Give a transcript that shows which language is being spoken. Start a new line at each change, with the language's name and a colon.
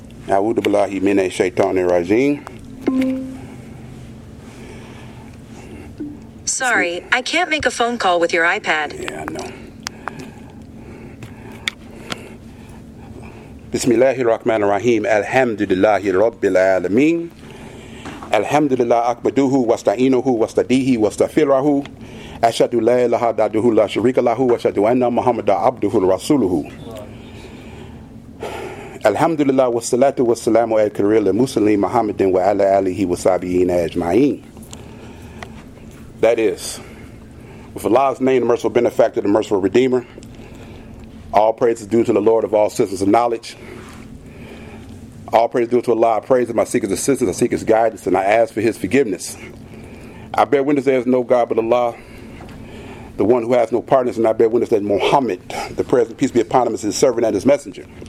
Arabic: أعوذ بالله من الشيطان الرجيم.
English: Sorry, I can't make a phone call with your iPad. Yeah, I know.
Arabic: بسم الله الرحمن الرحيم الحمد لله رب العالمين الحمد لله أكبره واستعينه واستهديه واستغفره أشهد أن لا إله إلا الله لا شريك له وأشهد أن محمدا عبده ورسوله Alhamdulillah wa salatu wa salamu al kareem al muslimin Muhammadin wa ala alihi wa sahbihi ajma'in.
English: That is, with Allah's name, the merciful benefactor, the merciful redeemer, all praise is due to the Lord of all systems of knowledge. All praise is due to Allah. I praise him, I seek his assistance, I seek his guidance, and I ask for his forgiveness. I bear witness there is no God but Allah, the one who has no partners, and I bear witness that Muhammad, the present, peace be upon him, is his servant and his messenger.